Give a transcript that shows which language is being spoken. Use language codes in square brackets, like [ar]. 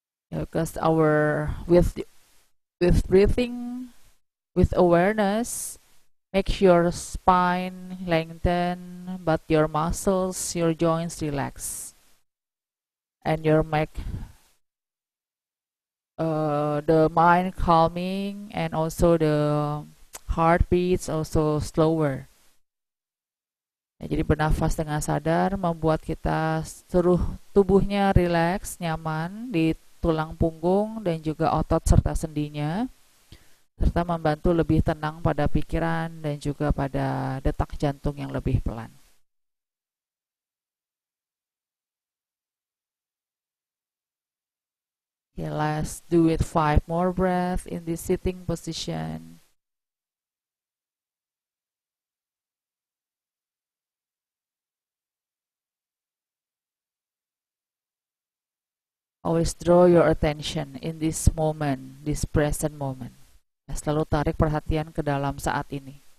[en] Because our with breathing, with awareness, makes your spine lengthen, but your muscles, your joints relax, and your make the mind calming, and also the heartbeats also slower. [id] Ya, jadi bernafas dengan sadar membuat kita seluruh tubuhnya relax, nyaman di tulang punggung dan juga otot serta sendinya, serta membantu lebih tenang pada pikiran dan juga pada detak jantung yang lebih pelan. [en] Okay, let's do it 5 more breath in this sitting position. Always draw your attention in this moment, this present moment. [id] Selalu tarik perhatian ke dalam saat ini.